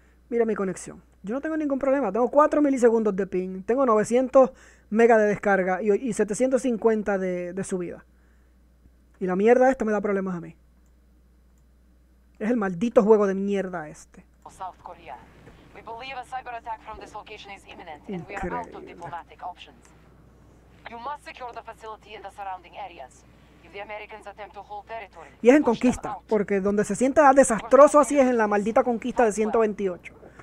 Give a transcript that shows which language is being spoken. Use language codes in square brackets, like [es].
[es] Mira mi conexión. Yo no tengo ningún problema. Tengo 4 milisegundos de ping. Tengo 900 mega de descarga. Y 750 de subida. Y la mierda esta me da problemas a mí. Es el maldito juego de mierda este. South Korea. [en] We believe a cyber attack from this location is imminent and we are out of diplomatic options. You must secure the facility and the surrounding areas. If the Americans attempt to hold territory. [es] Y es en conquista, porque donde se siente desastroso así es en la maldita conquista de 128.